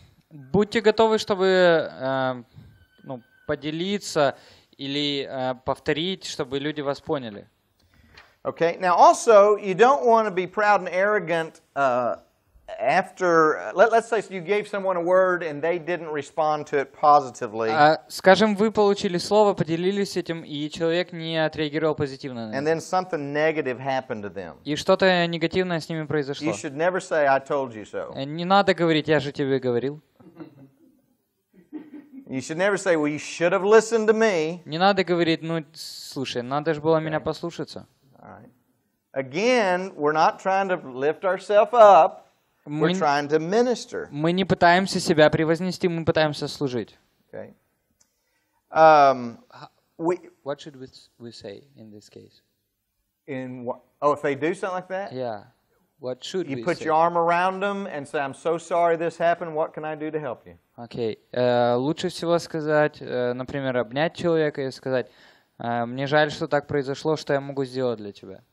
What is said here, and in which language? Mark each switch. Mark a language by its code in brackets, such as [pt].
[ru] Будьте готовы, чтобы поделиться или повторить, чтобы люди вас поняли. [en] Okay. Now, also, you don't want to be proud and arrogant after. Let's say you gave someone a word and they didn't respond to it positively. [ru] Скажем, вы получили слово, поделились этим, и человек не отреагировал позитивно на это. [en] And then something negative happened to them. [ru] И что-то негативное с ними произошло. [en] You should never say, "I told you so." [ru] Не надо говорить, я же тебе говорил. [en] You should never say, "Well, you should have listened to me." [ru] Не надо говорить, слушай, надо же было okay. меня послушаться. [en] Again, we're not trying to lift ourselves up. We're trying to minister. [ru] Мы не пытаемся себя превознести, мы пытаемся служить. [en] Okay. What should we say in this case? If they do something like that? Yeah. What should we say? You put your arm around them and say, "I'm so sorry this happened. What can I do to help you?" Okay. [ru] Лучше всего сказать, например, обнять человека и сказать: мне жаль, что так произошло, что я могу сделать для тебя.